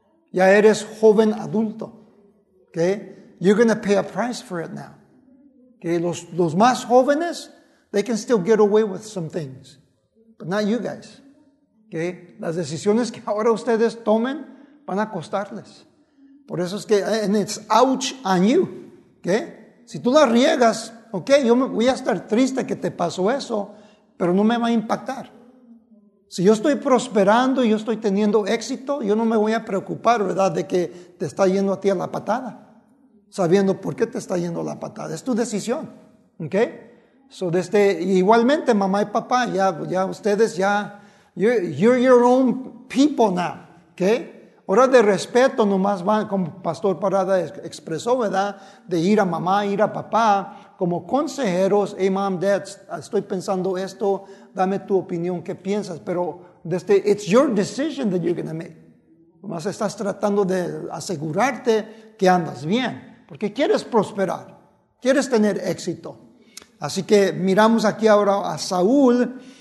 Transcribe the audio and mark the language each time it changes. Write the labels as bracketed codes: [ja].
[es] Ya eres joven adulto. ¿Okay? [en] You're going to pay a price for it now. [es] ¿Okay? Los más jóvenes, [en] they can still get away with some things. But not you guys. ¿Okay? [es] Las decisiones que ahora ustedes tomen van a costarles. Por eso es que, [en] and it's ouch on you. ¿Okay? [es] Si tú la riegas, okay, yo voy a estar triste que te pasó eso, pero no me va a impactar. Si yo estoy prosperando y yo estoy teniendo éxito, yo no me voy a preocupar, ¿verdad?, de que te está yendo a ti a la patada, sabiendo por qué te está yendo a la patada. Es tu decisión, ¿ok? So desde, igualmente, mamá y papá, ya ustedes ya, [en] you're your own people now, [es] ¿ok? Hora de respeto nomás van, como Pastor Parada expresó, ¿verdad?, de ir a mamá, ir a papá, como consejeros, [en] hey mom, dad, [es] estoy pensando esto, dame tu opinión, ¿qué piensas? Pero desde, [en] it's your decision that you're going to make. [es] Nomás estás tratando de asegurarte que andas bien, porque quieres prosperar, quieres tener éxito. Así que miramos aquí ahora a Saúl.